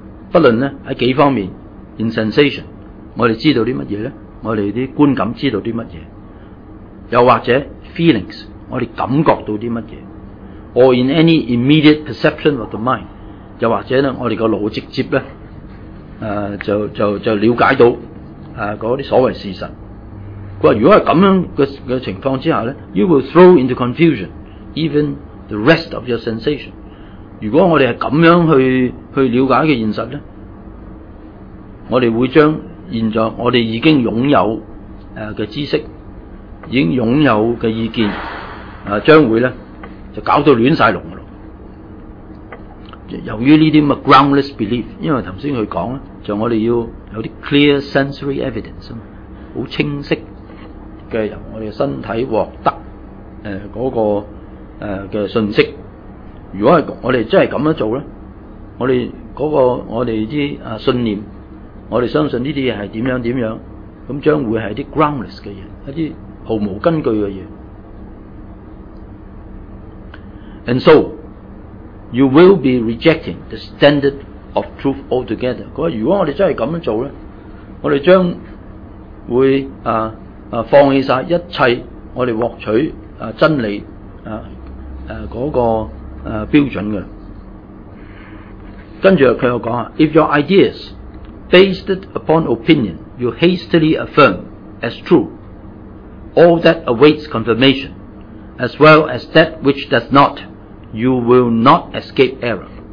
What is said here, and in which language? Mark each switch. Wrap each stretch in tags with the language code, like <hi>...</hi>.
<zh>不论在几方面</zh> <en>in sensation,</en> <zh>我们知道些什么呢，我们的观感知道些什么，又或者</zh> <en>feelings,</en> <zh>我们感觉到些什么 ,</zh> <en>or in any immediate perception of the mind,</en> <zh>又或者呢我们的脑直接呢就了解到那些所谓事实。如果是这样的情况之下呢</zh> <en>,you will throw into confusion, even the rest of your sensation.</en> <zh>如果我们是这样 去了解的现实呢，我们会将现在我们已经拥有的知识，已经拥有的意见，将会呢就搞到乱晒龙了。由于这些</zh> <en>groundless belief,</en> <zh>因为刚才他讲就我们要有些</zh> <en>clear sensory evidence,</en> <zh>很清晰的由我们身体获得那个的信息。如果我们真的这样做呢，我们那个我们的信念，我们相信这些是怎样怎样，那将会是一些 groundless 的东西，一些毫无根据的东西。</zh> <en>And so you will be rejecting the standard of truth altogether.</en> <zh>他说如果我们真的这样做，我们将会放弃一切我们获取真理那个标准的。跟着他又说</zh> <en>If your ideasBased upon opinion, you hastily affirm as true all that awaits confirmation, as well as that which does not, you will not escape error.</en>